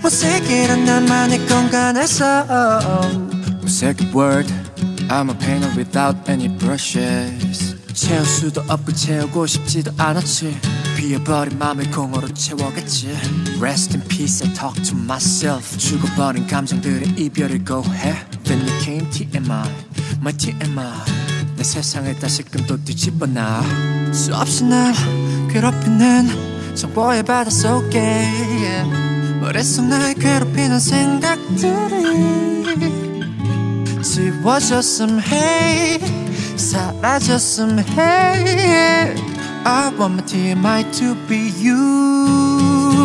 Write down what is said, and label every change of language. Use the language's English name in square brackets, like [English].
[Korean] 무색이란 나만의 공간에서. [English] Oh, oh. 무색 word. I'm a painter without any brushes. [Korean] 채울 수도 없고 채우고 싶지도 않았지. 비어버린 마음을 공허로 채워갔지. [English] Rest in peace, I talk to myself. [Korean] 죽어버린 감정들의 이별을 고해. [English] Then you came TMI, my TMI. [Korean] 내 세상을 다시금 또 뒤집어 놔. 수없이 날 괴롭히는 정보의 바다 속에 머릿속 날 괴롭히는 생각들이 지워졌음 hey 사라졌음 hey yeah. [English] I want my TMI to be you.